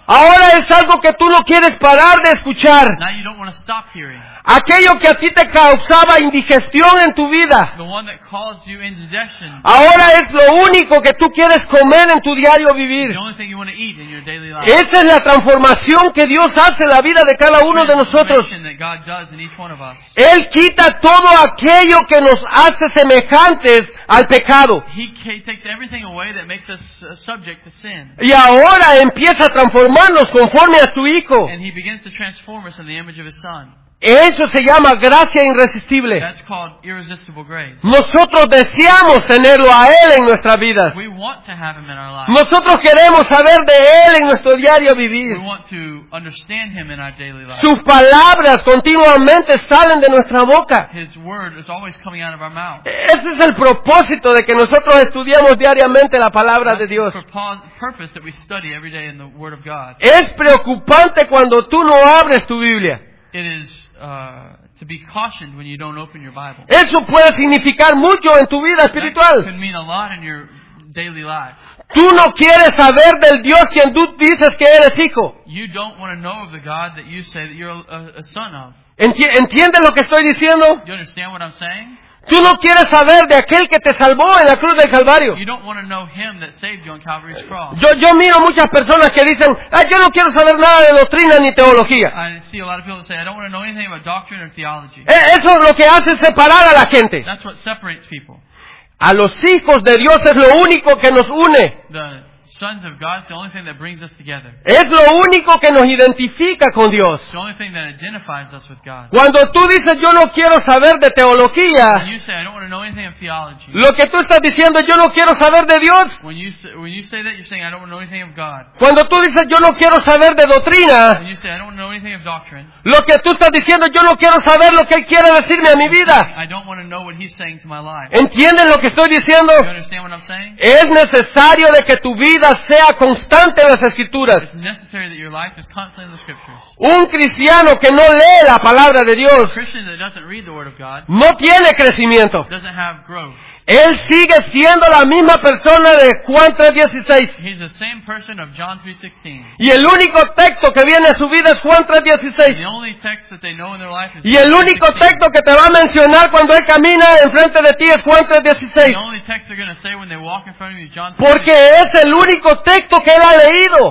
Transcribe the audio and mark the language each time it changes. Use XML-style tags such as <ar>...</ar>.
<es>Ahora es algo que tú no quieres parar de escuchar.</es> <en>Now you don't want to stop hearing.</en> <es>Aquello que a ti te causaba indigestión en tu vida.</es> <en>The one that caused you indigestion.</en> <es>Ahora es lo único que tú quieres comer en tu diario vivir.</es> <en>The only thing you want to eat in your daily life.</en> <es>Esa es la transformación que Dios hace en la vida de cada uno de nosotros.</es> <en>That God does in each one of us.</en> <es>Él quita todo aquello que nos hace semejantes al pecado.</es> <en>He takes everything away that makes us subject to sin.</en> <es>Y ahora empieza a transformarnos conforme a su Hijo.</es> <en>And he begins to transform us in the image of his Son.</en> <es>Eso se llama gracia irresistible.</es> <en>That's called irresistible grace.</en> <es>Nosotros deseamos tenerlo a Él en nuestras vidas.</es> <en>We want to have him in our lives.</en> <es>Nosotros queremos saber de Él en nuestro diario vivir.</es> <en>We want to understand him in our daily life.</en> <es>Sus palabras continuamente salen de nuestra boca.</es> <en>His word is always coming out of our mouth.</en> <es>Ese es el propósito de que nosotros estudiamos diariamente la palabra</es> <en>that's</en> <es>de Dios.</es> <en>Purpose that we study every day in the word of God.</en> <es>Es preocupante cuando tú no abres tu Biblia.</es> <en>It is to be cautioned when you don't open your Bible.</en> <es>Eso puede significar mucho en tu vida espiritual.</es> <en>That can mean a lot in your daily life.</en> <es>Tú no quieres saber del Dios quien tú dices que eres hijo.</es> <en>You don't want to know of the God that you say that you're a son of.</en> <es>¿Entiendes lo que estoy diciendo?</es> <en>You understand what I'm saying?</en> <es>Tú no quieres saber de aquel que te salvó en la cruz del Calvario.</es> <en>You don't want to know him that saved you on Calvary's cross.</en> <es>Yo miro muchas personas que dicen, yo no quiero saber nada de doctrina ni teología.</es> <en>I see a lot of people say, I don't want to know anything about doctrine or theology.</en> <es>Eso es lo que hace separar a la gente.</es> <en>That's what separates people.</en> <es>A los hijos de Dios es lo único que nos une.</es> <en>The sons of God is the only thing that brings us together.</en> <es>Es lo único que nos identifica con Dios.</es> <en>The only thing that identifies us with God.</en> <es>Cuando tú dices, yo no quiero saber de teología,</es> <en>when you say, I don't want to know anything of theology,</en> <es>lo que tú estás diciendo, yo no quiero saber de Dios.</es> <en>When you say that, you're saying, I don't want to know anything of God.</en> <es>Cuando tú dices, yo no quiero saber de doctrina,</es> <en>when you say, I don't want to know anything of doctrine,</en> <es>lo que tú estás diciendo, yo no quiero saber lo que Él quiere decirme a mi vida.</es> <en>I don't want to know what He's saying to my life.</en> <es>¿Entiendes lo que estoy diciendo?</es> <en>You understand what I'm saying?</en> <es>Es necesario de que tu vida sea constante en las Escrituras.</es> <en>It's necessary that your life is constantly in the Scriptures.</en> <es>Un cristiano que no lee la Palabra de Dios,</es> <en>a Christian that doesn't read the Word of God,</en> <es>no tiene crecimiento.</es> <en>Doesn't have growth.</en> <es>Él sigue siendo la misma persona de Juan 3.16.</es> <en>He's the same person of John 3.16.</en> <es>Y el único texto que viene a su vida es Juan 3.16.</es> <en>The only text that they know in their life is John</en> <es>3.16. Y el único texto que te va a mencionar cuando Él camina enfrente de ti es Juan 3.16.</es> <en>The only text they're going to say when they walk in front of you is John 3.16.</en> <es>Porque es el único texto que Él ha leído.</es>